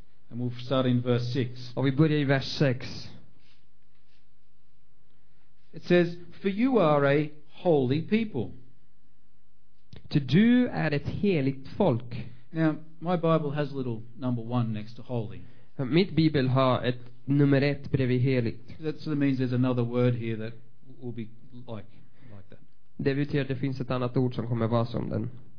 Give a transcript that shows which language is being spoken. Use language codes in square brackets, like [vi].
[en] And we'll start in verse 6. [sv] Och vi börjar i vers 6. [en] It says, "For you are a holy people." [sv] Ty du är ett heligt folk. [en] Now, my Bible has a little number one next to holy. [sv] Mitt bibel har ett nummer ett bredvid heligt. [en] That sort of means there's another word here that will be like that. [sv] Det betyder att det finns ett annat ord som kommer vara som den.